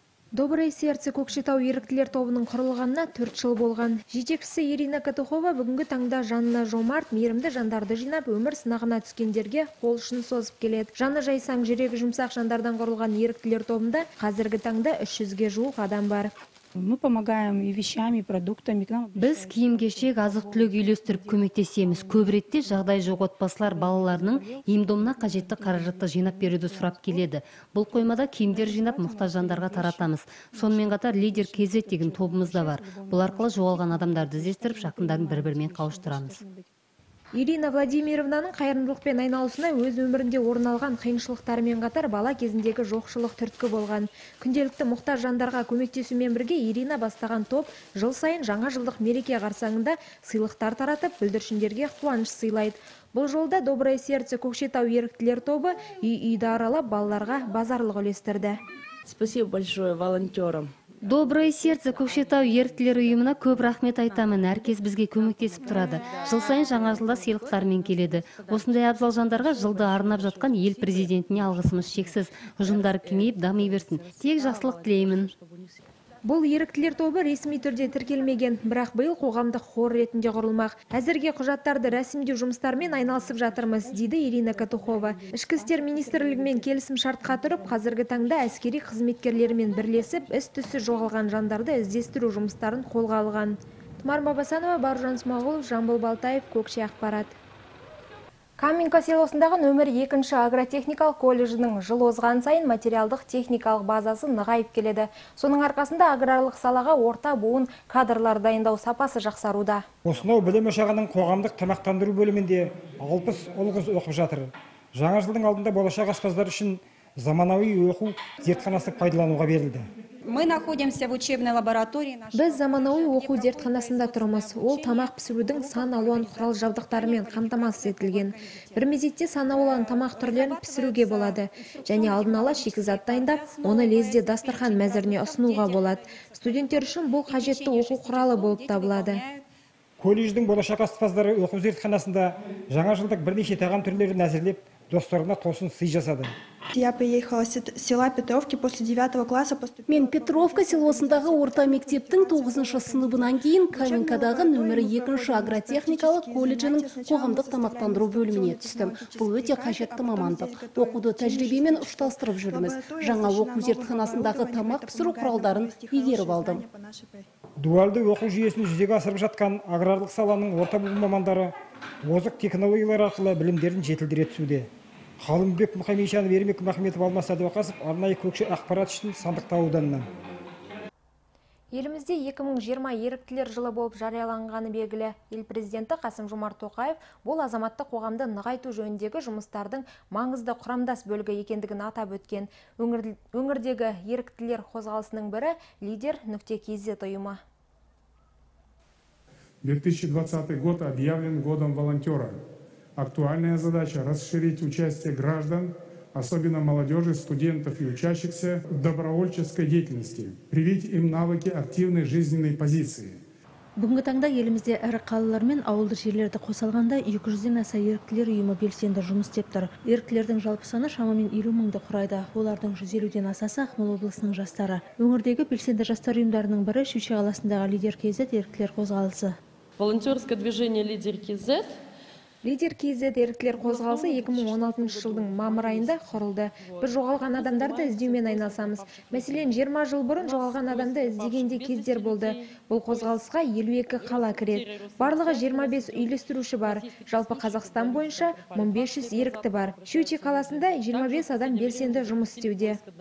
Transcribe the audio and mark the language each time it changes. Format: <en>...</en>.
<kk>«Доброе сердце Көкшетау» еріктілер тобының құрылғанына 4 жыл болған. Жетекшісі Ирина Катухова бүгінгі таңда жанына жомарт, мейірімді жандарды жинап, өмір сынағына түскендерге қол ұшын созып келеді. Жаны жайсаң, жүрегі жұмсақ жандардан құрылған еріктілер тобында қазіргі таңда 300-ге жуық адам бар.</kk> <ru>Мы помогаем и вещами, и продуктами.</ru> <kk>Біз киім-кешек, азық-түлік үйлестіріп көмектесеміз. Көп ретте жағдай жоқ отбасылар балаларының емдомына қажетті қаражатты жинап беруді сұрап келеді. Бұл қоймада киімдер жинап мұқтаж жандарға таратамыз. Сонымен қатар лидер кезет деген тобымыз да бар. Бұл арқылы жоғалған адамдарды іздестіріп, жақындарын бір-бірімен қауыштырамыз. Ирина Владимировнаның қайырымдылықпен айналысына өз өмірінде орын алған қиыншылықтарымен қатар бала кезіндегі жоқшылық түрткі болған. Күнделікті мұқтаж жандарға көмектесумен бірге Ирина бастаған топ жыл сайын жаңа жылдық мереке қарсаңында сыйлықтар таратып, бүлдіршіндерге қуаныш сыйлайды. Бұл жолда «Доброе сердце Көкшетау» еріктілер тобы үй-үйді аралап балаларға базарлық үлестірді.</kk> <ru>Спасибо большое волонтерам.</ru> <kk>Доброе сердце Көкшетау еріктілер ұйымына көп рахмет айтамын, әркез бізге көмектесіп тұрады. Жыл сайын жаңа жылда сыйлықтармен келеді. Осындай абзал жандарға жылды арнап жатқан ел президентіне алғысымыз шексіз. Ұжымдары кеңейіп, дами берсін. Тек жақсылық тілеймін. Бұл еріктілер тобы ресми түрде тіркелмеген, бірақ биыл қоғамдық хор ретінде құрылмақ. Әзірге құжаттарды рәсімдеу жұмыстармен айналысып жатырмыз, дейді Ирина Катухова. Ішкі істер министрлігімен келісім шартқа тұрып, қазіргі таңда әскери қызметкерлерімен бірлесіп, іс-түссіз жоғалған жандарды іздестіру жұмыстарын қолға алған. Тұмар Бабасанова, Баржан Смағұлов, Жамбыл Балтаев, Көкше ақпарат. Каменка селосындағы нөмір 2-ші агротехникалық колледжінің жыл озған сайын материалдық техникалық базасы нығайып келеді. Соның арқасында аграрлық салаға орта буын кадрлар дайындау сапасы жақсаруда. Осынау білім ошағының қоғамдық тамақтандыру бөлімінде 60 ұл-қыз оқып жатыр. Жаңа жылдың алдында болашақ аспаздар үшін заманауи оқу зертханасы пайдалануға берілді.</kk> <ru>Мы находимся в учебной лаборатории.</ru> <kk>Біз заманауи оқу зертханасында тұрмыз. Ол тамақ пісірудің сан алуан құрал жабдықтарымен қамтамасыз етілген. Бір мезетте сан алуан тамақ түрлерін пісіруге болады. Және алдын ала шикізат дайындап, оны лезде дастархан мәзіріне ұсынуға болады. Студенттер үшін бұл қажетті оқу құралы болып табылады. Колледждің болашақ аспаздары оқу зертханасында жаңа жылдық бірнеше тағам түрлерін әзірлеп, достарына тосын сый жасады.</kk> <ru>Я приехала с села Петровки после 9 класса.</ru> <kk>Мен Петровка селосындағы орта мектептің 9-шы сыныбынан кейін Каменкадағы нөмірі 2-ші агротехникалық колледжінің қоғамдық тамақтандыру бөліміне түстім. Бұл өте қажетті мамандық. Оқуды тәжірибемен ұштастырып жүрміз. Жаңа оқу зертханасындағы тамақ пісіру құралдарын игеріп алдым. Дуалды оқу жүйесін жүзеге асырып жатқан аграрлық саланың орта буын мамандары озық технологиялар арқылы білімдерін жетілдіре түсуде. Қалымбек Мұхамеджанов, Ермек Махметов, Алмас Садуақасов, арнайы Көкше ақпарат үшін Сандықтау ауданынан. Елімізде 2020 еріктілер жылы болып жарияланғаны белгілі. Ел президенті Қасым Жомарт Тоқаев бұл азаматтық қоғамды нығайту жөніндегі жұмыстардың маңызды құрамдас бөлігі екендігін атап өткен. Өңірдегі еріктілер қозғалысының бірі лидер.кз ұйымы.</kk> <ru>2020 год объявлен годом волонтера. Актуальная задача – расширить участие граждан, особенно молодежи, студентов и учащихся в добровольческой деятельности, привить им навыки активной жизненной позиции.</ru> <kk>Бүгінгі таңда елімізде әрі қалалар мен ауылды жерлерді қосалғанда 200-ден аса еріктілер ұйымы белсенді жұмыс істеп тұр. Еріктілердің жалпы саны шамамен 50 мыңды құрайды. Олардың 150-ден асасы Ақмола облысының жастары. Өңірдегі белсенді жастар ұйымдарының бірі Шүйше қаласындағы Лидер КЗ еріктілер қозғалысы.</kk> <ru>Волонтерское движение Лидер КЗ.</ru> <kk>Лидер кезет еріктілер қозғалысы 2016 жылдың мамыр айында құрылды. Біз жоғалған адамдарды іздеумен айналысамыз. Мәселен, 20 жыл бұрын жоғалған адамды іздегенде кездер болды. Бұл қозғалысқа 52 қала кіреді. Барлығы 25 үйлестіруші бар. Жалпы Қазақстан бойынша 1500 ерікті бар. Шүйше қаласында 25 адам белсенді жұмыс істеуде.</kk>